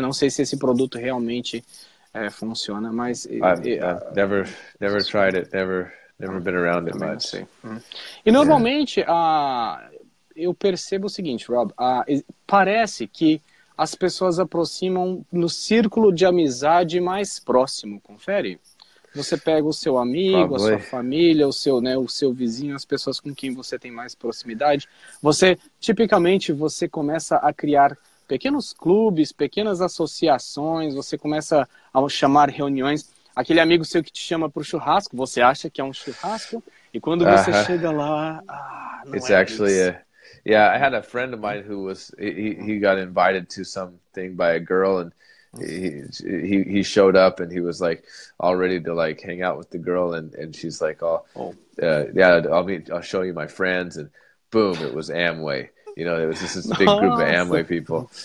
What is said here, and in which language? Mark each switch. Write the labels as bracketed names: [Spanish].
[Portuguese] Não sei se esse produto realmente funciona, mas [English] I've never tried it, never been around it much. [Portuguese] E normalmente eu percebo o seguinte, Rob, parece que as pessoas aproximam no círculo de amizade mais próximo, confere? Você pega o seu amigo, [English] Probably. [Portuguese] A sua família, o seu vizinho, as pessoas com quem você tem mais proximidade. Você, tipicamente, você começa a criar pequenos clubes, pequenas associações, você começa a chamar reuniões. Aquele amigo seu que te chama para o churrasco, você acha que é um churrasco? E quando você chega lá, não [English] it's [Portuguese] é [English] actually [Portuguese] isso. A... [English] Yeah, I had a friend of mine who was, he got invited to something by a girl, and he showed up and he was like all ready to like hang out with the girl, and she's like I'll show you my friends, and boom, it was Amway, you know, it was just this big group of Amway people.